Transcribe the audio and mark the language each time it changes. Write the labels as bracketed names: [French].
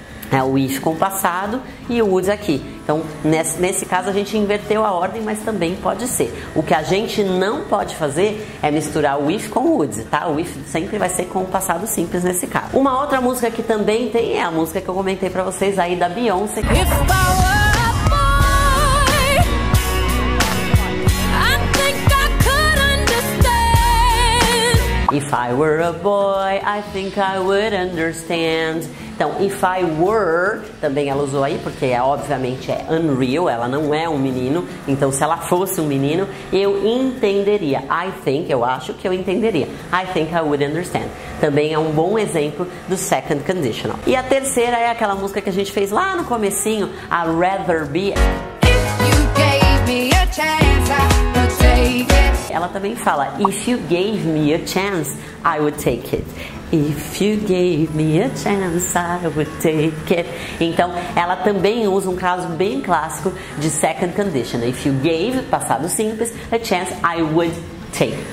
[Portuguese] É o if com o passado e o would aqui. Então, nesse caso, a gente inverteu a ordem, mas também pode ser. O que a gente não pode fazer é misturar o if com o would, tá? O if sempre vai ser com o passado simples nesse caso. Uma outra música que também tem é a música que eu comentei pra vocês aí da Beyoncé. [English] If I were a boy, I think I could understand. If I were a boy, I think I would understand. [Portuguese] Então, [English] if I were, [Portuguese] também ela usou aí, porque obviamente é unreal, ela não é um menino. Então, se ela fosse um menino, eu entenderia. [English] I think, [Portuguese] eu acho que eu entenderia. [English] I think I would understand. [Portuguese] Também é um bom exemplo do second conditional. E a terceira é aquela música que a gente fez lá no comecinho, a Rather Be. [English] If you gave me a chance, I would take it. [Portuguese] Ela também fala, [English] if you gave me a chance, I would take it. If you gave me a chance, I would take it. [Portuguese] Então, ela também usa um caso bem clássico de second condition. [English] If you gave, [Portuguese] passado simples, [English] a chance, I would take.